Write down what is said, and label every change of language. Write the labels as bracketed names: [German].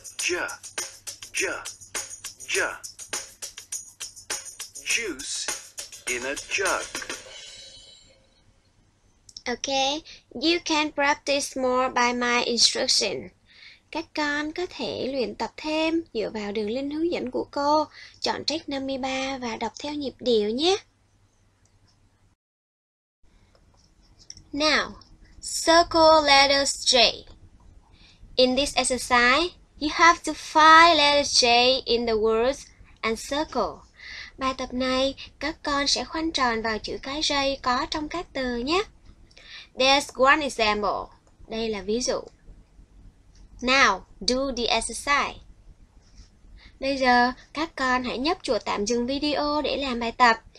[English] Ja, ja, ja. Juice in a jug. Okay, you can practice more by my instruction. [Vietnamese] Các con có thể luyện tập thêm dựa vào đường link hướng dẫn của cô. Chọn track 53 và đọc theo nhịp điệu nhé. [English] Now, circle letters J. In this exercise, you have to find letters J in the words and circle. [Vietnamese] Bài tập này, các con sẽ khoanh tròn vào chữ cái J có trong các từ nhé. [English] There's one example. [Vietnamese] Đây là ví dụ. [English] Now, do the exercise. [Vietnamese] Bây giờ, các con hãy nhấp chuột tạm dừng video để làm bài tập.